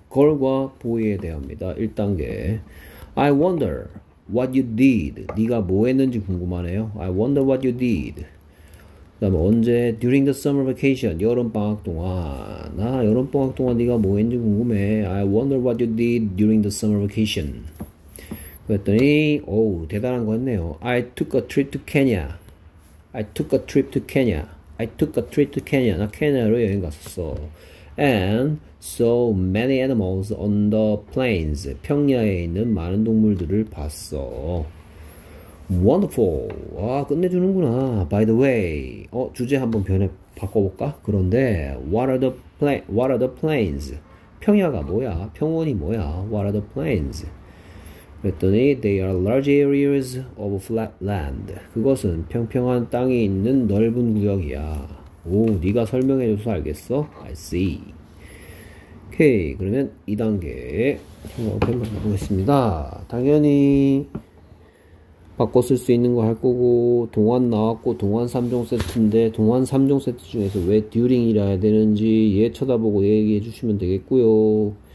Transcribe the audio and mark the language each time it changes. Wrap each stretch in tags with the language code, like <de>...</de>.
<ko>girl과 boy에 대합니다. 1단계.</ko> <en>I wonder what you did.</en> <ko>네가 뭐 했는지 궁금하네요.</ko> <en>I wonder what you did.</en> <ko>그다음 언제?</ko> <en>During the summer vacation,</en> <ko>여름방학 동안. 나 여름방학 동안 네가 뭐 했는지 궁금해.</ko> <en>I wonder what you did during the summer vacation.</en> <ko>그랬더니 오, 대단한 거 했네요.</ko> <en>I took a trip to Kenya. I took a trip to Kenya. I took a trip to Kenya.</en> <ko>나 케냐로 여행 갔었어.</ko> <en>And saw many animals on the plains.</en> <ko>평야에 있는 많은 동물들을 봤어.</ko> <en>Wonderful.</en> <ko>와, 끝내주는구나.</ko> <en>By the way.</en> <ko>주제 한번 바꿔볼까? 그런데,</ko> <en>what are the plains?</en> <ko>평야가 뭐야? 평원이 뭐야?</ko> <en>What are the plains?</en> <ko>그랬더니,</ko> <en>they are large areas of flat land.</en> <ko>그것은 평평한 땅이 있는 넓은 구역이야. 오, 네가 설명해줘서 알겠어?</ko> <en>I see.</en> <ko>오케이. 그러면 2단계. 한번 보겠습니다. 당연히, 바꿨을 수 있는 거할 거고, 동안 나왔고, 동안 3종 세트인데, 동안 3종 세트 중에서 왜 during이라 해야 되는지, 얘 쳐다보고 얘기해 주시면 되겠고요.</ko>